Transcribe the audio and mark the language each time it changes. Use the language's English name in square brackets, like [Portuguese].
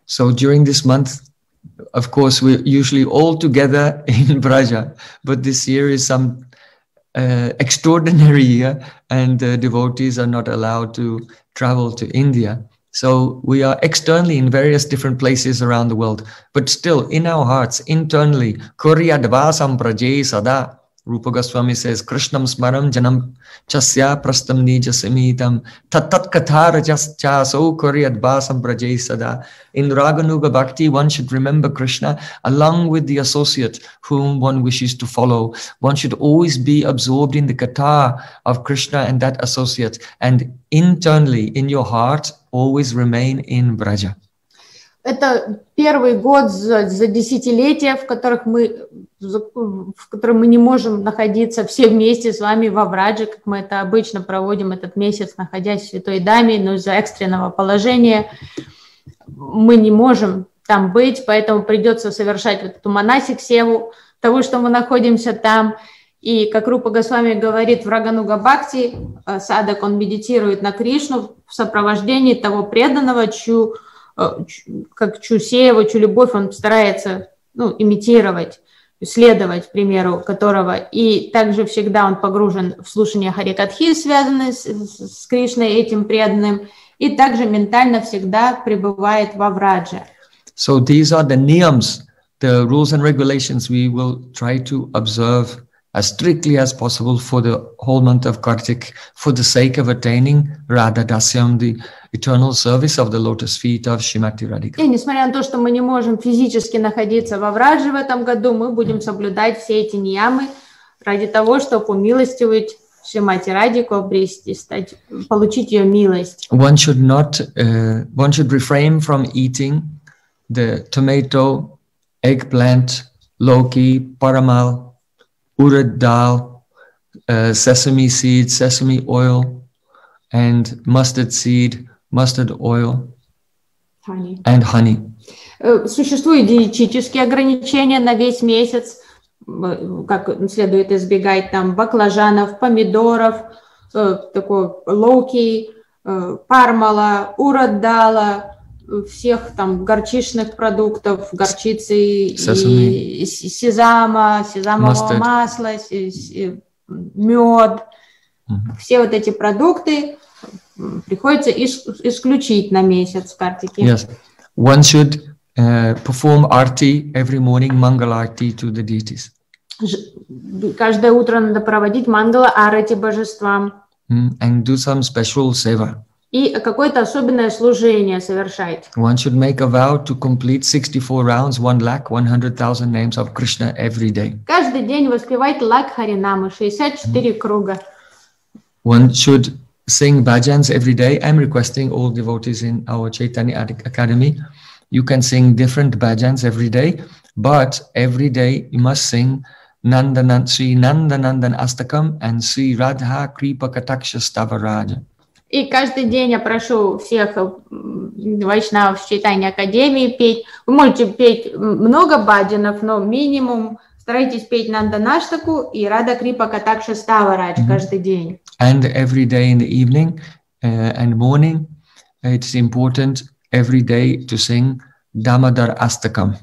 [English] So during this month, of course, we usually all together in Braja, but this year is some extraordinary year, and devotees are not allowed to travel to India. So we are externally in various different places around the world, but still in our hearts, internally, [Sanskrit] Kurya Dvasam Praje Sada, [English] Rupa Goswami says, [Sanskrit] Krishnam Smaram Janam Chasya Prastam Nija Samitam Tatat Kathara Chascha So Kurya Dvasam Praje Sada. [English] In Raganuga Bhakti, one should remember Krishna along with the associate whom one wishes to follow. One should always be absorbed in the Katha of Krishna and that associate, and internally in your heart, always remain in Braja. [Russian] Это первый год за десятилетия, в котором мы не можем находиться все вместе с вами во Врадже, как мы это обычно проводим этот месяц, находясь в Святой Даме, но из-за экстренного положения мы не можем там быть, поэтому придется совершать вот эту манасик-севу того, что мы находимся там. И как Рупа Госвами говорит в Рагануга Бхакти, садак, он медитирует на Кришну в сопровождении того преданного, чью любовь он старается имитировать, следовать примеру которого. И также всегда он погружен в слушание Харикатхи, связанное с Кришной, этим преданным, и также ментально всегда пребывает во Врадже. [English] So these are the niyams, the rules and regulations we will try to observe as strictly as possible for the whole month of Kartik, for the sake of attaining Radha Dasyam, the eternal service of the lotus feet of Shrimati Radhika. [Russian] И несмотря на то, что мы не можем физически находиться во Врадже в этом году, мы будем соблюдать все эти ниямы ради того, чтобы умилостивить Шримати Радику, обрести, стать, получить ее милость. [English] One should not, one should refrain from eating the tomato, eggplant, loki, paramal, urad dal, sesame seed, sesame oil, and mustard seed, mustard oil, honey. And honey. [Russian] Существуют диетические ограничения на весь месяц, как следует избегать там баклажанов, помидоров, такого лоуки, пармала, урад дала, всех там горчичных продуктов, горчицы, сезама, сезамового масла, мед. Все вот эти продукты приходится исключить на месяц в Картике. [English] Yes. One should perform arti every morning, mangala arti to the deities. [Russian] Каждое утро надо проводить мангала арати божествам. [English] And do some special seva. [Russian] И какое-то особенное служение совершать. [English] One should make a vow to complete 64 rounds, 1,100,000 names of Krishna every day. [Russian] Каждый день воспевать лак харинамы, 64 круга. [English] One should sing bhajans every day. I'm requesting all devotees in our Chaitanya Academy. You can sing different bhajans every day, but every day you must sing Sri Nanda Nandan Astakam and Sri Radha Kripa Kataksha Stavaraja. [Russian] И каждый день я прошу всех вайшнавов в Чайтанья Академии петь. Вы можете петь много баджанов, но минимум старайтесь петь Нанданаштаку и Радха Крипа Катакша Ставарадж каждый день. [English] And every day in the evening and morning, it's important every day to sing Дамодар Астакам.